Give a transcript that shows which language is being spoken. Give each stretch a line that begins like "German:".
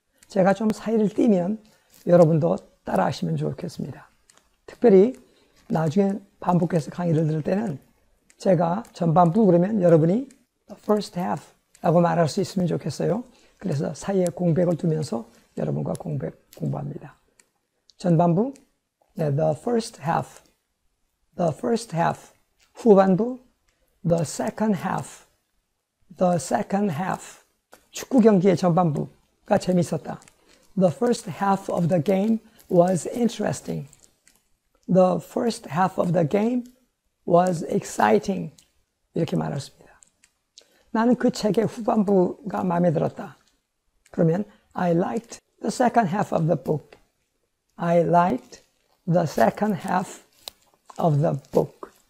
Korean: 제가 좀 사이를 띄면 여러분도 따라하시면 좋겠습니다. 특별히 나중에 반복해서 강의를 들을 때는 제가 전반부 그러면 여러분이
English: the first half
Korean: 라고 말할 수 있으면 좋겠어요. 그래서 사이에 공백을 두면서 여러분과 공부합니다. 전반부, 네,
English: the first half, the first half.
Korean: 후반부,
English: the second half, the second half.
Korean: 축구 경기의 전반부가 재밌었다.
English: The first half of the game was interesting. The first half of the game was exciting.
Korean: 이렇게 말했습니다. 나는 그 책의 후반부가 마음에 들었다. 그러면
English: I liked the second half of the book. I liked the second half of the book.